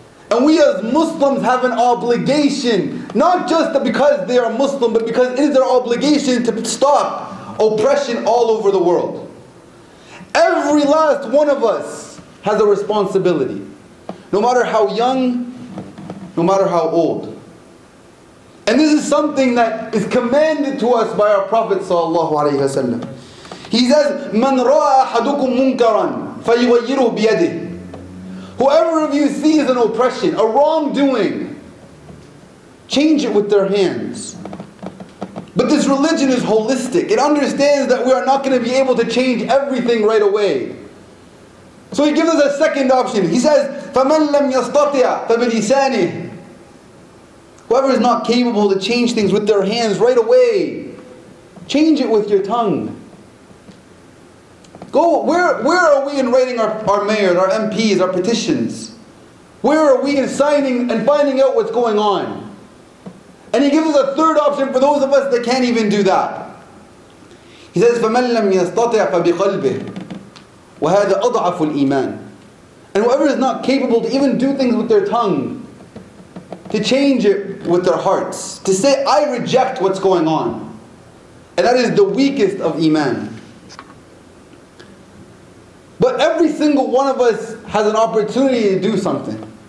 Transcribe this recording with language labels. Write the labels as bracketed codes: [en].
[en] And we as Muslims have an obligation, not just because they are Muslim, but because it is their obligation to stop oppression all over the world. Every last one of us has a responsibility, no matter how young, no matter how old. And this is something that is commanded to us by our Prophet sallallahu alaihi wasallam. He says, [ar] مَنْ رَأَ أَحَدُكُمْ مُنْكَرًا فَيُوَيِّرُهُ بِيَدِهِ. [en] Whoever of you sees an oppression, a wrongdoing, change it with their hands. But this religion is holistic. It understands that we are not going to be able to change everything right away. So he gives us a second option. He says, [ar] فَمَنْ لَمْ يَسْتَطِعَ فَبِلِسَانِهِ. [en] Whoever is not capable to change things with their hands right away, change it with your tongue. Go. Where are we in writing our mayors, our MPs, our petitions? Where are we in signing and finding out what's going on? And he gives us a third option for those of us that can't even do that. He says, [ar] فَمَنْ لَمْ يَسْتَطِعْ فَبِقَلْبِهِ وَهَذَا أَضْعَفُ الْإِيمَانِ. [en] And whoever is not capable to even do things with their tongue, to change it with their hearts, to say, I reject what's going on, and that is the weakest of iman. But every single one of us has an opportunity to do something.